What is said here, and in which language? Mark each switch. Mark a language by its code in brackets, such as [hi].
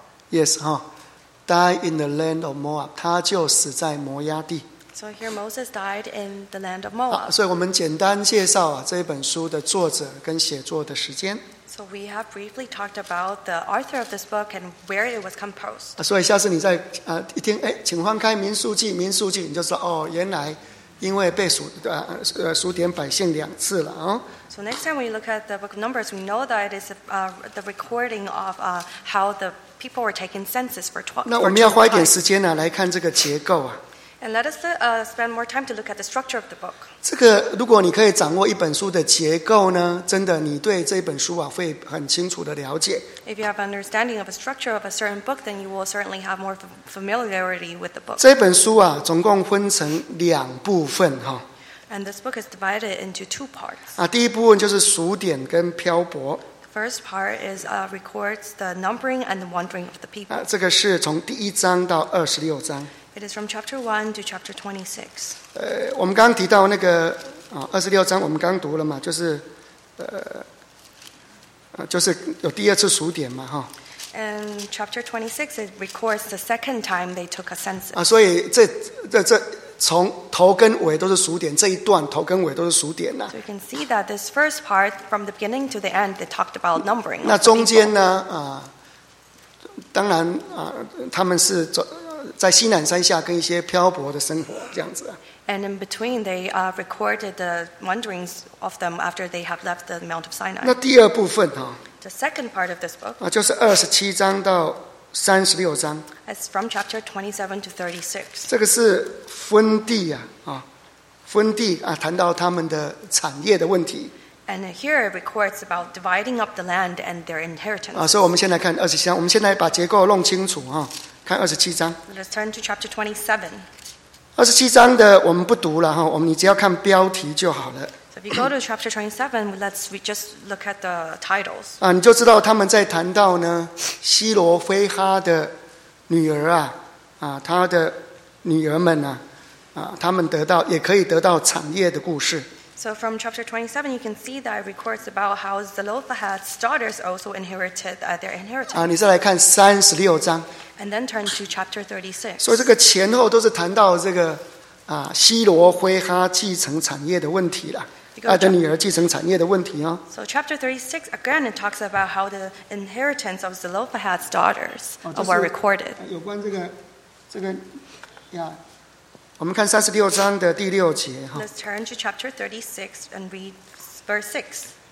[en] Yes, died in the land of Moab. [zh] 他就死在摩押地。 [en] So here Moses died in the land of Moab. [zh] 所以我们简单介绍这本书的作者跟写作的时间。 [en] So we have briefly talked about the author of this book and where it was composed. [zh] 所以下次你再一听，请翻开《民数记》，《民数记》，你就说哦，原来。因为被数点百姓两次了 [en] So next time we look at the book of Numbers, we know that it is the recording of how the people were taking census for 12. [zh] 那我们要花一点时间来看这个结构 [en] And let us spend more time to look at the structure of the book. [zh] 这个如果你可以掌握一本书的结构呢，真的你对这本书会很清楚的了解。 [en] If you have understanding of the structure of a certain book, then you will certainly have more familiarity with the book. [zh] 这本书总共分成两部分。 [en] And this book is divided into two parts. [zh] 第一部分就是数点跟漂泊。 [en] The first part is records the numbering and the wandering of the people. [zh] 这个是从第一章到26章。 [en] It is from chapter 1 to chapter 26. [zh] 我们刚提到那个26章我们刚读了嘛，就是有第二次数点嘛。 [en] And chapter 26 it records the second time they took a census. [zh] 所以这从头跟尾都是数点，这一段头跟尾都是数点呐。 [en] So you can see that this first part from the beginning to the end they talked about numbering. [zh] 那中间呢？当然他们是在西南山下跟一些漂泊的生活这样子。 [en] And in between, they recorded the wanderings of them after they have left the Mount of Sinai. [zh] 那第二部分哈。 [en] The second part of this book. [zh] 就是27-36. [en] It's from chapter 27-36. [zh] 这个是分地啊，分地啊，谈到他们的产业的问题。 [en] And here it records about dividing up the land and their inheritance. [zh] 所以我们先来看27，我们先来把结构弄清楚哈，看27。 [en] Let's turn to chapter 27. [zh] 27的我们不读了哈，我们你只要看标题就好了。 [en] If you go to chapter 27, let's we just look at the titles. [zh] 你就知道他们在谈到呢，西罗非哈的女儿她的女儿们他们得到也可以得到产业的故事。 [en] So from chapter 27, you can see that it records about how Zelophehad's daughters also inherited their inheritance. [zh] 你再来看36。 [en] And then turn to chapter 36. [zh] 所以这个前后都是谈到这个西罗非哈继承产业的问题了。的女儿继承产业的问题啊。 [en] So chapter 36 again it talks about how the inheritance of Zelophehad's daughters were recorded. [zh] 有关这个呀，我们看36:6。 [en] Let's turn to chapter 36 and read verse 6.